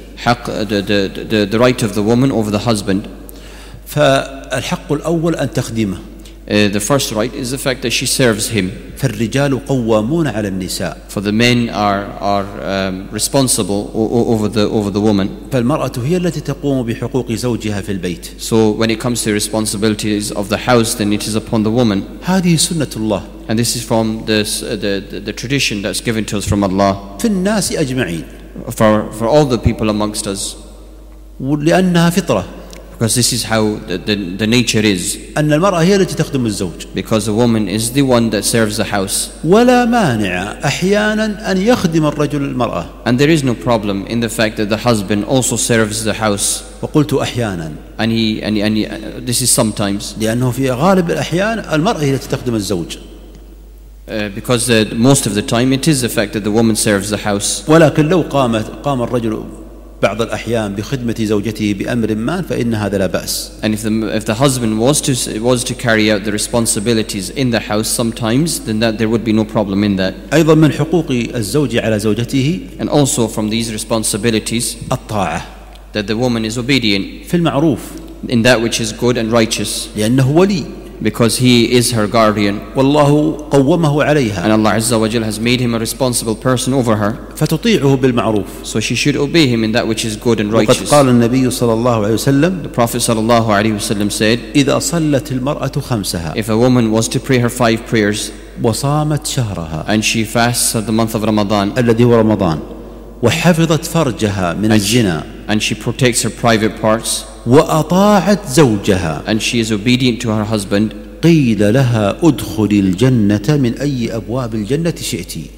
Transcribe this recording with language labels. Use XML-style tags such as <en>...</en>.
<en>حق the right of the woman over the husband.</en> <ar>فالحق الأول أن تخدمه.</ar> <en>The first right is the fact that she serves him.</en> <ar>فالرجال قوامون على النساء.</ar> <en>For the men are responsible over the woman.</en> <ar>فالمرأة هي التي تقوم بحقوق زوجها في البيت.</ar> <en>So when it comes to responsibilities of the house, then it is upon the woman.</en> <ar>هذه سنة الله.</ar> <en>And this is from the tradition that's given to us from Allah.</en> <ar>في الناس أجمعين.</ar> <en>For all the people amongst us.</en> <ar>لأنها فطرة.</ar> <en>Because this is how the nature is.</en> <ar>أن المرأة هي التي تخدم الزوج.</ar> <en>Because the woman is the one that serves the house.</en> <ar>ولا مانع أحيانا أن يخدم الرجل المرأة.</ar> <en>And there is no problem in the fact that the husband also serves the house.</en> <ar>وقلت أحيانا.</ar> <en>And he, this is sometimes.</en> <ar>لأنه في غالب الأحيان المرأة هي التي تخدم الزوج.</ar> <en>Because most of the time it is the fact that the woman serves the house.</en> <ar>ولكن لو قام الرجل بعض الأحيان بخدمة زوجته بأمر ما فإن هذا لا بأس.</ar> <en>And if the husband was to carry out the responsibilities in the house sometimes, then that there would be no problem in that.</en> <ar>أيضا من حقوق الزوج على زوجته.</ar> <en>And also from these responsibilities.</en> <ar>الطاعة.</ar> <en>That the woman is obedient.</en> <ar>في المعروف.</ar> <en>In that which is good and righteous.</en> <ar>لأنه ولي.</ar> <en>Because he is her guardian.</en> <ar>والله قومه عليها.</ar> <en>And Allah</en> <ar>عز وجل</ar> <en>has made him a responsible person over her.</en> <ar>فتطيعه بالمعروف.</ar> <en>So she should obey him in that which is good and righteous.</en> <ar>وقد قال النبي صلى الله عليه وسلم.</ar> <en>The Prophet</en> <ar>صلى الله عليه وسلم</ar> <en>said.</en> <ar>إذا صلت المرأة خمسها.</ar> <en>If a woman was to pray her five prayers.</en> <ar>وصامت شهرها.</ar> <en>And she fasts the month of Ramadan.</en> <ar>الذي هو رمضان. وحفظت فرجها من الزنا.</ar> <en>And she protects her private parts.</en> <ar>وأطاعت زوجها.</ar> <en>And she is obedient to her husband.</en> <ar>قيل لها أدخل الجنة من أي أبواب الجنة شئتي.</ar>